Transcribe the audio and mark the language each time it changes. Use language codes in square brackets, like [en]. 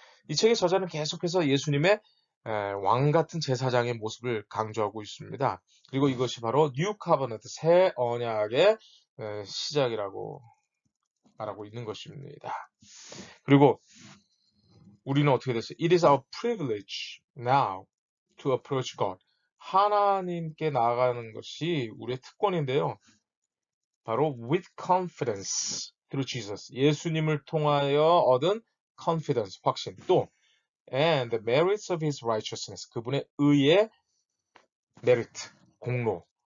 [ko] 이 책의 저자는 계속해서 예수님의 왕 같은 제사장의 모습을 강조하고 있습니다. 그리고 이것이 바로 New Covenant, 새 언약의 시작이라고 말하고 있는 것입니다. 그리고 우리는 어떻게 됐어요? [en] It is our privilege now to approach God. [ko] 하나님께 나아가는 것이 우리의 특권인데요. [en] 바로 with confidence through Jesus. [ko] 예수님을 통하여 얻은 [en] confidence, 확신. 또, and the merits of his righteousness. [ko] 그분의 의의 [en] merit, 공로.